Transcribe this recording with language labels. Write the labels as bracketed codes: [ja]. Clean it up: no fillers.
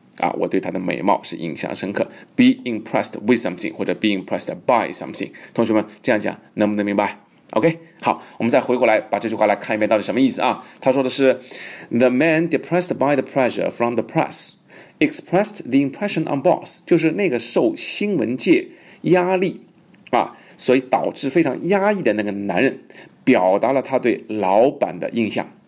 [zh] 啊，我对他的美貌是印象深刻。 [en] Be impressed with something [zh] 或者 [en] be impressed by something。 [zh] 同学们这样讲能不能明白 ？OK, 好，我们再回过来把这句话来看一遍，到底什么意思啊？他说的是 ， [en] The man depressed by the pressure from the press expressed the impression on boss, [zh] 就是那个受新闻界压力啊，所以导致非常压抑的那个男人，表达了他对老板的印象。